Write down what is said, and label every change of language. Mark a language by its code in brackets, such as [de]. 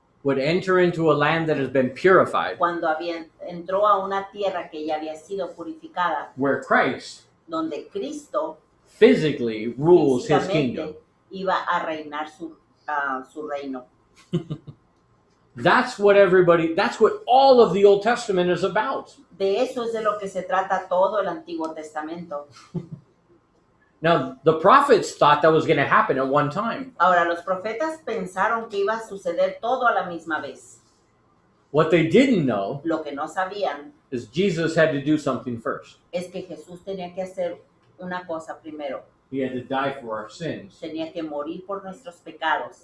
[en] Would enter into a land that has been purified. [es] Cuando había, entró a una tierra que ya había sido purificada. [en] Where Christ. [es] Donde Cristo. [en] Physically rules his kingdom. [es] Iba a reinar su, su reino. [en] That's what everybody, that's what all of the Old Testament is about. [es] De eso es de lo que se trata todo el Antiguo Testamento. [en] Now, the prophets thought that was going to happen at one time. [es] Ahora, los profetas pensaron que iba a suceder todo a la misma vez. [en] What they didn't know, [es] lo que no sabían, [en] is Jesus had to do something first. [es] Es que Jesús tenía que hacer una cosa primero. [en] He had to die for our sins. [es] Tenía que morir por nuestros pecados.